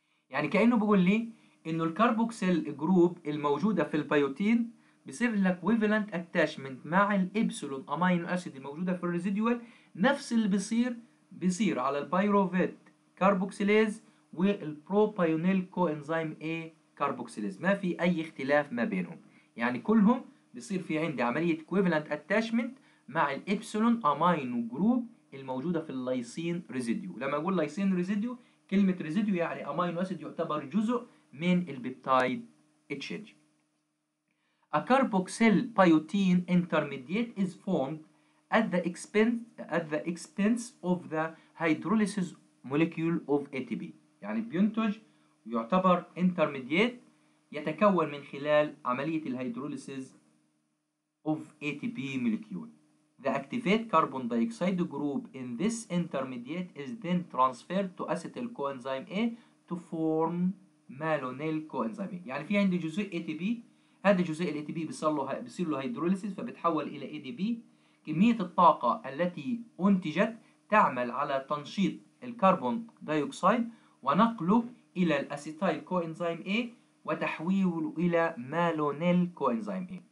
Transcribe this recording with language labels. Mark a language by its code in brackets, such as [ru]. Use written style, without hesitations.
[ar] يعني كأنه بقول لي إنه الكربوكسيل جروب الموجودة في البيوتين بصير لك [en] equivalent attachment [ar] مع الإبسلون أمينو أسيد الموجودة في الريزيديوال، نفس اللي بصير على البيروفيت كاربوكسيليز والبروبيونيل كوإنزيم A كاربوكسيليز، ما في أي اختلاف ما بينهم. يعني كلهم بصير في عندي عملية [en] equivalent attachment [ar] مع الإبسلون أمينو جروب الموجودة في اللايسين ريزيديو. لما أقول لايسين ريزيديو، كلمة ريزيديو يعني أمينو أسيد يعتبر جزء من البيبتايد تشينج. [en] A carboxyl biotin intermediate is formed at the expense of the hydrolysis molecule of ATP. [ar] يعني بينتج يعتبر intermediate، يتكون من خلال عملية الهيدروليسيز [en] of ATP molecule. The activate carbon dioxide group in this intermediate is then transferred to acetyl coenzyme A to form malonyl coenzyme A. [ar] يعني في عندي جزء ATP، هذا جزء ATP بيصير له هيدروليسيس فبتحول الى ADP. كمية الطاقة التي انتجت تعمل على تنشيط الكربون دايوكسيد ونقله الى الاسيتيل كوانزيم A وتحويله الى مالونيل كوانزيم A.